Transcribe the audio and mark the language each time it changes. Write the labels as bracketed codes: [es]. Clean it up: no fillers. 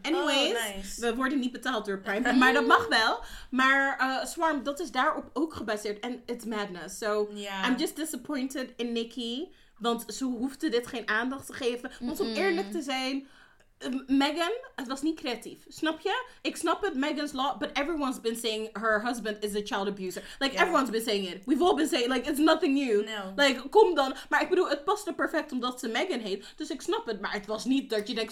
[en] Anyways, [nl] we worden niet betaald door Prime. Maar dat mag wel. Maar Swarm, dat is daarop ook gebaseerd. En [en] it's madness. So, I'm just disappointed in Nicki. [nl] Want ze hoefde dit geen aandacht te geven. Want om eerlijk te zijn, Meghan, het was niet creatief. Snap je? Ik snap het, [en] Meghan's law, but everyone's been saying her husband is a child abuser. Like, yeah. Everyone's been saying it. We've all been saying, like, it's nothing new. No. [nl] Like, kom dan. Maar ik bedoel, het paste perfect omdat ze Meghan heet. Dus ik snap het, maar het was niet dat je denkt,